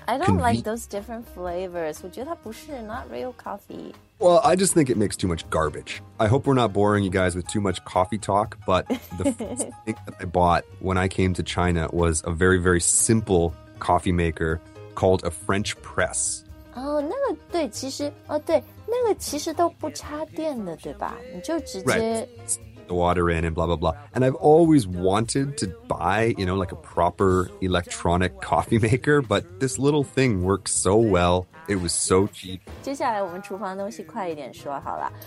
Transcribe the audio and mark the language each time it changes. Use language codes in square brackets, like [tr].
[en] I don't like those different flavors. [zh] 我觉得它不是 [en] not real coffee. Well, I just think it makes too much garbage. I hope we're not boring you guys with too much coffee talk, but the first thing that I bought when I came to China was a very, very simple coffee maker called a French press. [zh] Oh, 那个对其实哦对那个其实都不插电的对吧你就直接、 [en] right. the water in and blah, blah, blah. And I've always wanted to buy, you know, like a proper electronic coffee maker, but this little thing works so well. It was so cheap. [zh] 接下来我们厨房的东西快一点说好了。